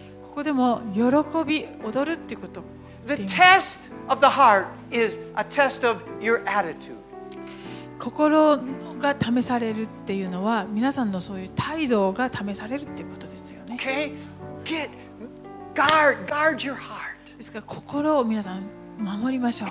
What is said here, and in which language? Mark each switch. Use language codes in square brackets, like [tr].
[ja] ここでも喜び踊るってこと。 [en] The test of the heart is a test of your attitude. [ja] 心が試されるっていうのは皆さんのそういう態度が試されるっていうことですよね。 [en] Okay. Get guard, guard your heart. [ja] ですから心を皆さん守りましょう。